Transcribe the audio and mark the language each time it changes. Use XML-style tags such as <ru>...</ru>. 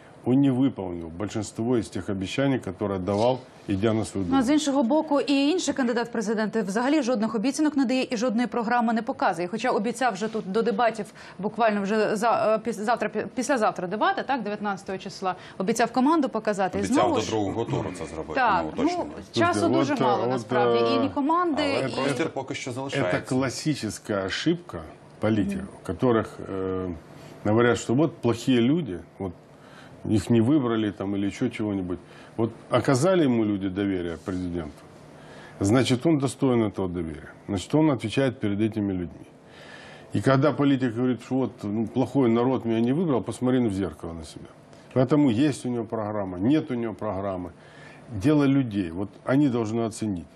<ru>Он не выполнил большинство из тех обещаний, которые давал, идя на свою</ru> <uk>думу. А с іншого боку, и інший кандидат в президенты взагалі жодних обіцянок не дає и жодної программы не показує. Хоча обіцяв вже тут до дебатів, буквально вже завтра, післязавтра дебати, так, 19 числа, обіцяв команду показати. Обіцяв до другого тура це зробити. Так, ну, часу дуже мало, насправді, і ні команди. Але простір поки що залишається. Це класична ошибка політиків, яких говорять, що от погані люди, от,</uk> <ru>их не выбрали там или еще чего-нибудь. Вот оказали ему люди доверие президенту, значит, он достоин этого доверия. Значит, он отвечает перед этими людьми. И когда политик говорит, что вот ну, плохой народ меня не выбрал, посмотри в зеркало на себя. Поэтому есть у него программа, нет у него программы. Дело людей, вот они должны оценить.</ru>